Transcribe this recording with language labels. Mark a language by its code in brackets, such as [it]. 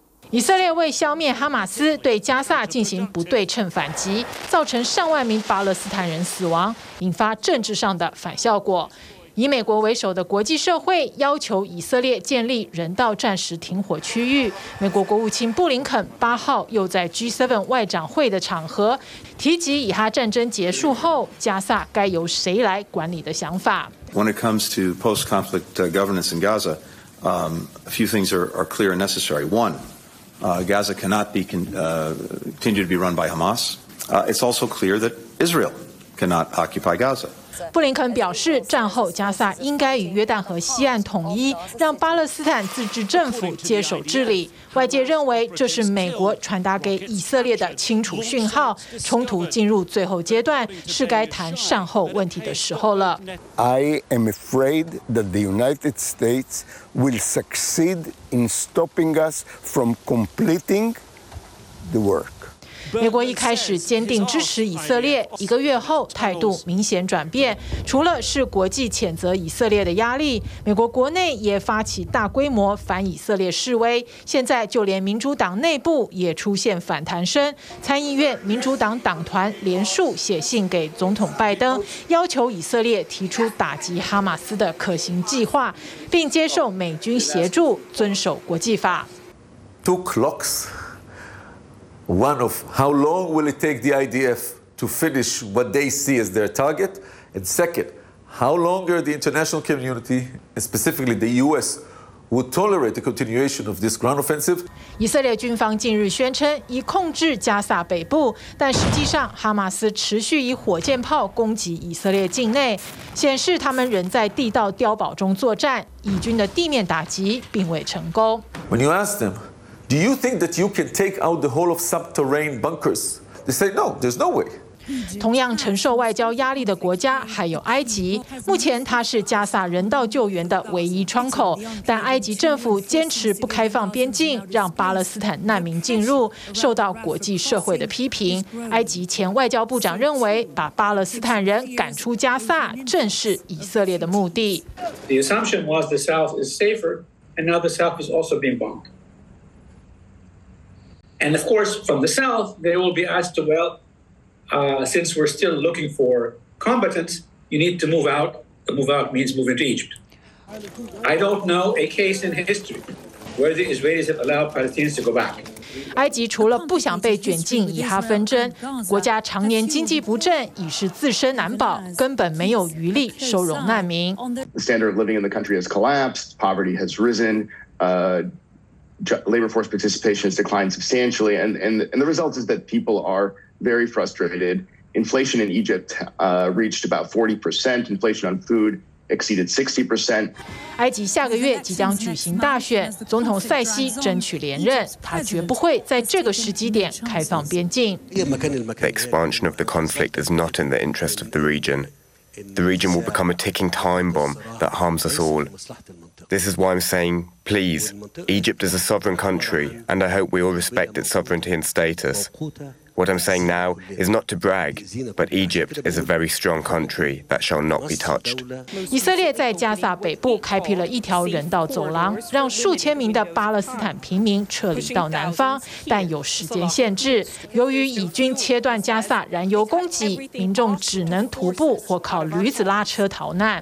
[zh] 以色列为消灭哈马斯，对加萨进行不对称反击，造成上万名巴勒斯坦人死亡，引发政治上的反效果。以美国为首的国际社会要求以色列建立人道暂时停火区域。美国国务卿布林肯8号又在 G7 外长会的场合提及以哈战争结束后加萨该由谁来管理的想法。 [en] When it comes to post-conflict governance in Gaza, a few things are clear and necessary. One,Gaza cannot be continue to be run by Hamas. It's also clear that Israel cannot occupy Gaza. [zh] 布林肯表示，战后加萨应该与约旦河西岸统一，让巴勒斯坦自治政府接手治理。外界认为这是美国传达给以色列的清楚讯号，冲突进入最后阶段，是该谈善后问题的时候了。 [en] I am afraid that the United States will succeed in stopping us from completing the work. [zh] 美国一开始坚定支持以色列，一个月后态度明显转变，除了是国际谴责以色列的压力，美国国内也发起大规模反以色列示威，现在就连民主党内部也出现反弹声，参议院民主党党团连续写信给总统拜登，要求以色列提出打击哈马斯的可行计划，并接受美军协助，遵守国际法。 [en] Two clocks. One of how long will it take the IDF to finish what they see as their target? And second, how longer the international community, and specifically the U.S.,would tolerate the continuation of this ground offensive. [zh] 以色列军方近日宣称已控制加萨北部，但实际上哈马斯持续以火箭炮攻击以色列境内，显示他们仍在地道碉堡中作战，以军的地面打击并未成功。 [en] When you ask them,Do you think that you can take out the whole of subterranean bunkers? They say no, there's no way. [zh] 同样承受外交压力的国家还有埃及，目前它是加萨人道救援的唯一窗口，但埃及政府坚持不开放边境，让巴勒斯坦难民进入，受到国际社会的批评。埃及前外交部长认为，把巴勒斯坦人赶出加萨正是以色列的目的。 [en] The assumption was the south is safer, and now the south is also being bombed. And of course, from the south, they will be asked, well, since we're still looking for combatants, you need to move out. Move out means moving to Egypt. I don't know a case in history where the Israelis have allowed Palestinians to go back. [zh] 埃及除了不想被卷进以哈纷争，国家常年经济不振，已是自身难保，根本没有余力收容难民。 [en] The standard of living in the country has collapsed. Poverty has risen. Labor force participation has declined substantially. And the result is that people are very frustrated. Inflation in Egypt reached about 40%. Inflation on food. Exceeded 60%. [zh] 埃及下个月即将举行大选，总统塞西争取连任，他绝不会在这个时机点开放边境。 [en] The expansion of the conflict is not in the interest of the region. The region will become a ticking time bomb that harms us all. This is why I'm saying, please, Egypt is a sovereign country, and I hope we all respect its sovereignty and status. What I'm saying now is not to brag, but Egypt is a very strong country that shall not be touched. [zh] 以色列在加萨北部开辟了一条人道走廊，让数千名的巴勒斯坦平民撤离到南方，但有时间限制。由于以军切断加萨燃油供给，民众只能徒步或靠驴子拉车逃难。